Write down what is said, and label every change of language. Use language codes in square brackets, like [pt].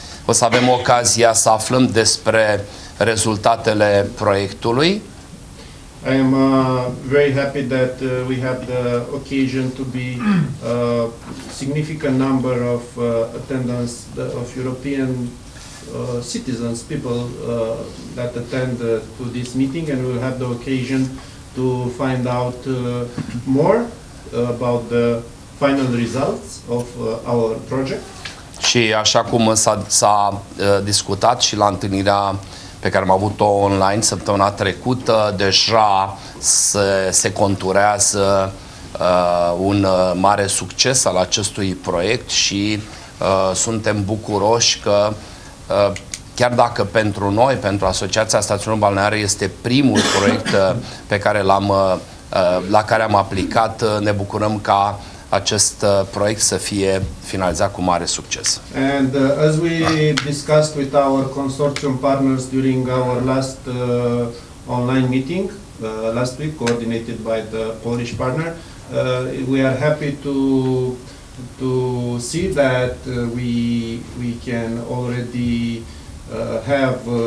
[ro] O să avem ocazia să aflăm despre rezultatele proiectului. [en] I am very happy that we have the occasion to be a significant number of attendance of European citizens, people that attend to this meeting, and we'll have the occasion to find out more about the final results of our project. [ro] Și așa cum s-a discutat și la întâlnirea pe care am avut-o online săptămâna trecută, deja se conturează un mare succes al acestui proiect și suntem bucuroși că chiar dacă pentru noi, pentru Asociația Stațiunilor Balneare, este primul proiect pe care la care am aplicat, ne bucurăm ca acest proiect să fie finalizat cu mare succes. [en] And as we discussed with our consortium partners during our last online meeting last week, coordinated by the Polish partner, we are happy to see that we can already have